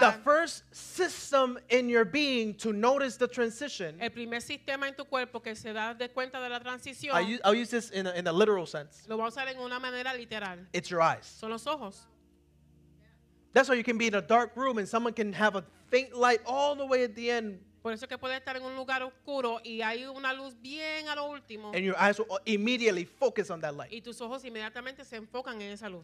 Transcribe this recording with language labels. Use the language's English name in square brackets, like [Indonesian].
[English] the first system in your being to notice the transition, [Spanish] el primer sistema en tu cuerpo que se da de cuenta de la transición, [English] I'll use this in a literal sense. [Spanish] Lo voy a usar en una manera literal. [English] It's your eyes. [Spanish] Son los ojos. [English] That's why you can be in a dark room and someone can have a faint light all the way at the end. [Spanish] Por eso que puede estar en un lugar oscuro y hay una luz bien a lo último. [English] And your eyes will immediately focus on that light. [Spanish] Y tus ojos inmediatamente se enfocan en esa luz.